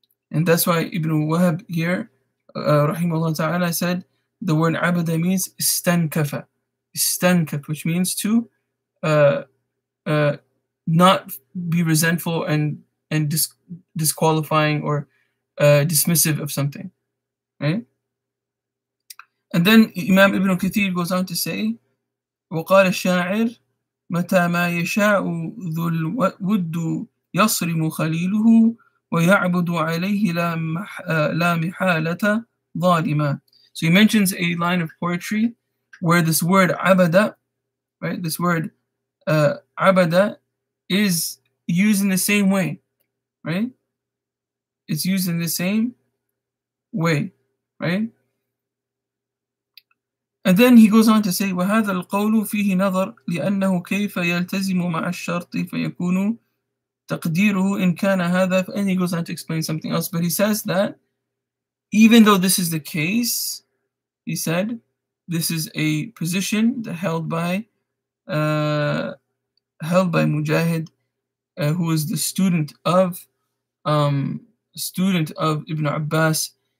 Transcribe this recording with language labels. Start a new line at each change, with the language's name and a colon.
English: And that's why Ibn Wahab here, rahimahullah ta'ala, said the word abada means istankafa. Istankaf, which means to not be resentful and disqualifying or dismissive of something. Right? And then Imam Ibn Kathir goes on to say,
Arabic: وقال الشاعر متى ما يشاء ذو الود يصرم خليله ويعبد عليه لا محالة ظالما.
English: So he mentions a line of poetry where this word abada, right, this word abada is used in the same way, right? It's used in the same way, right? And then he goes on to say,
Arabic: وَهَذَا الْقَوْلُ فِيهِ نَظَرٌ لِأَنَّهُ كَيْفَ يَلْتَزِمُ مَعَ الشَّرْطِ فَيَكُونُ تَقْدِيرُهُ إِنْ كَانَ هَذَا.
English: And he goes on to explain something else, but he says that even though this is the case, he said, this is a position that held by Mujahid, who is the student of Ibn Abbas.